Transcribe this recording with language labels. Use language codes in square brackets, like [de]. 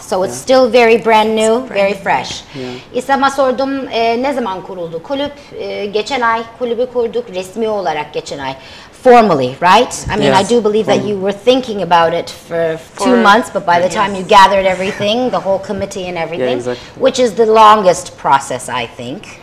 [en] So it's still very brand new, very fresh. Yeah. [tr] İslam'a sordum ne zaman kuruldu kulüp? Geçen ay kulübü kurduk resmi olarak geçen ay. [en] Formally, right? I mean, yes, I do believe that you were thinking about it for 2 months, but by the time you gathered everything, the whole committee and everything, which is the longest process, I think.